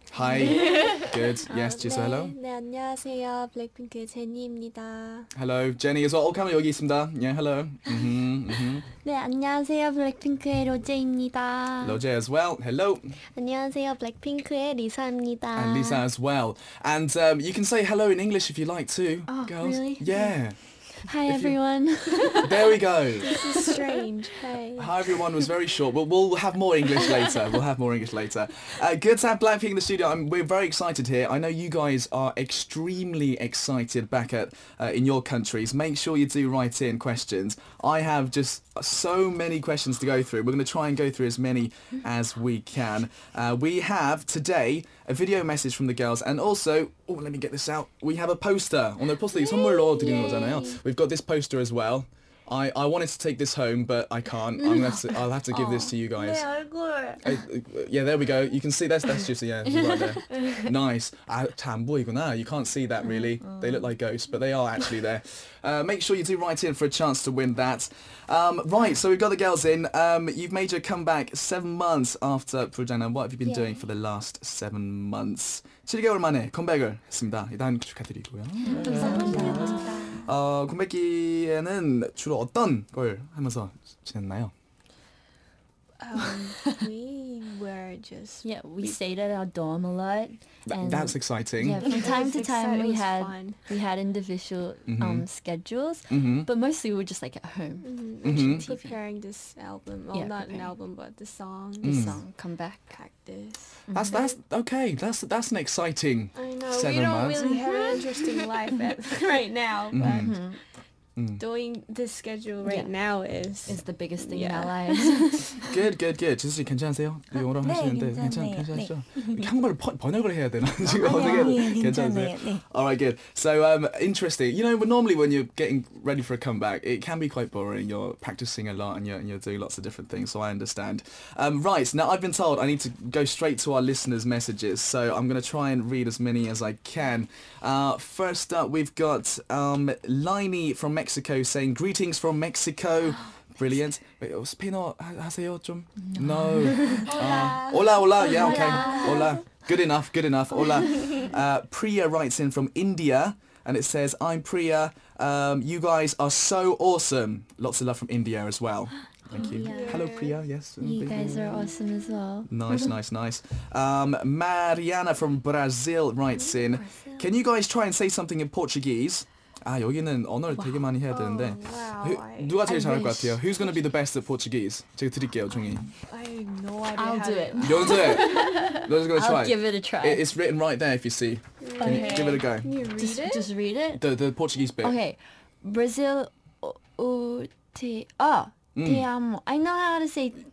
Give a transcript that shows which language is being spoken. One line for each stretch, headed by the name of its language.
English: Hi. Good. Yes, 지수,
Korean: 네.
English: hello.
Korean: 네, 안녕하세요, 블랙핑크의 제니입니다.
English: Hello, Jenny as well.
Korean: 오카메 여기 있습니다.
English: Yeah, hello. Mm-hmm. Mm-hmm.
Korean: 네, 안녕하세요, 블랙핑크의 로제입니다.
English: Roje as well. Hello.
Korean: 안녕하세요, 블랙핑크의 리사입니다.
English: And Lisa as well. And you can say hello in English if you like too, oh, girls. Oh, really? Yeah. Hi, everyone. There we go. This is strange. Hey. Hi, everyone. Was very short, but we'll have more English later. We'll have more English later. Good to have BLACKPINK in the studio. We're very excited here. I know you guys are extremely excited back at in your countries. Make sure you do write in questions. I have just so many questions to go through. We're going to try and go through as many as we can. We have today a video message from the girls, and also, oh, let me get this out. We have a poster. On the poster,
Korean: 선물로 드리는 거잖아요.
English: We've got this poster as well. I wanted to take this home, but I can't. I'll have to give this to you guys.
Korean: 네, 얼굴.
English: Yeah, there we go. You can see that's just yeah, right there. Nice.
Korean: 아, 참 보이구나.
English: You can't see that really. They look like ghosts, but they are actually there. Make sure you do write in for a chance to win that. Right, so we've got the girls in. You've made your comeback 7 months after Projana. What have you been doing for the last 7 months?
Korean: 7개월 만에 컴백을 했습니다. 일단 축하드리고요. 감사합니다. 컴백기에는 주로 어떤 걸 하면서 지냈나요?
English: We were just... Yeah, we stayed at our dorm a lot. That's exciting. Yeah, from time to time we had individual schedules, but mostly we were just like at home. Preparing this album. Well, yeah, not an album, but the song. Come Back. Practice. That's okay. That's an exciting 7 months. I know, we don't really have an interesting life right now, but... Doing this schedule right now is the biggest thing in our lives.
Korean: good. 지수 씨 괜찮으세요? 영어로 하시는데 괜찮으시죠? 한국말로 번역을 해야 되나? 지금 어떻게 괜찮으세요?
English: All right, good. So interesting. You know, but normally when you're getting ready for a comeback, it can be quite boring. You're practicing a lot and you're doing lots of different things. So I understand. Right. Now I've been told I need to go straight to our listeners' messages. So I'm going to try and read as many as I can. First up, we've got Liney from Mexico saying greetings from Mexico. Brilliant. Wait, Spino, haseo jum? No.
Spanish: Hola. Hola, hola.
English: Yeah, okay. Hola. Good enough.
Spanish: Hola.
English: Priya writes in from India and it says, I'm Priya. You guys are so awesome. Lots of love from India as well. Thank you. Yeah. Hello, Priya. Yes. You guys are awesome as well. Nice. Mariana from Brazil writes in, can you guys try and say something in Portuguese?
Korean: 아, 여기는 언어를 되게 많이 해야 되는데.
English: Oh, wow.
Korean: 누가 제일 잘할 것 같아요?
English: Who's going to be the best at Portuguese?
Korean: 제가 드릴게요, 종이.
English: I'll do it. You'll do it. Just going to try. I'll give it a try. It's written right there if you see. Okay. Can you give it a go? Can you read it? Just read it? The Portuguese bit. Okay.
Portuguese: Brazil, te amo.
English: I know how to say.